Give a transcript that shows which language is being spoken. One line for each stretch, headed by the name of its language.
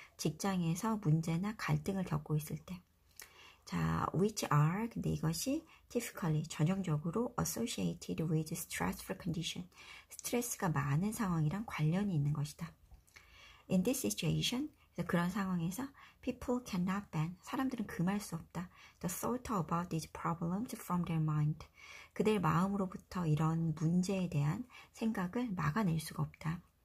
Korean: 직장에서 문제나 갈등을 겪고 있을 때.
English: 자, which are,
Korean: 근데 이것이
English: typically,
Korean: 전형적으로
English: associated with stressful condition.
Korean: 스트레스가 많은 상황이랑 관련이 있는 것이다.
English: In this situation,
Korean: 그런 상황에서
English: people cannot ban,
Korean: 사람들은 금할 수 없다.
English: The thought about these problems from their mind,
Korean: 그들 마음으로부터 이런 문제에 대한 생각을 막아낼 수가 없다.